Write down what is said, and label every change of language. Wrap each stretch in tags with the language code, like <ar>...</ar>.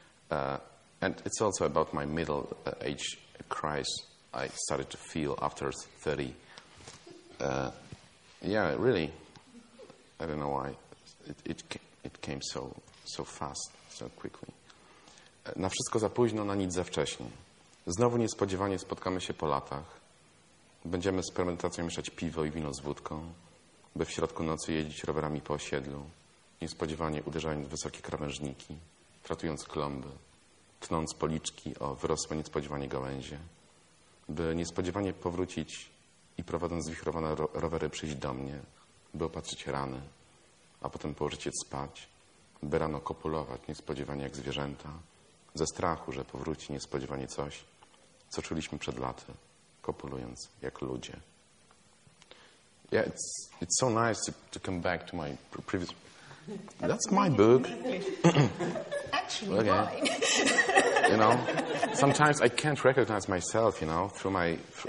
<en>And it's also about my middle age crisis I started to feel after 30. Really, I don't know why it came so fast, so quickly.</en> <pl>Na wszystko za późno, na nic za wcześnie. Znowu niespodziewanie spotkamy się po latach. Będziemy z premedytacją mieszać piwo i wino z wódką, by w środku nocy jeździć rowerami po osiedlu, niespodziewanie uderzając w wysokie krawężniki, tratując klomby, tnąc policzki o wyrosłe niespodziewanie gałęzie, by niespodziewanie powrócić i prowadząc zwichrowane rowery przyjść do mnie, by opatrzyć rany, a potem położyć je spać, by rano kopulować niespodziewanie jak zwierzęta, ze strachu, że powróci niespodziewanie coś, co czuliśmy przed laty, kopulując jak ludzie.</pl> <en>Yeah, it's so nice to come back to my previous. That's my book. Actually, okay. Mine. You know, sometimes I can't recognize myself, you know, through my.</en>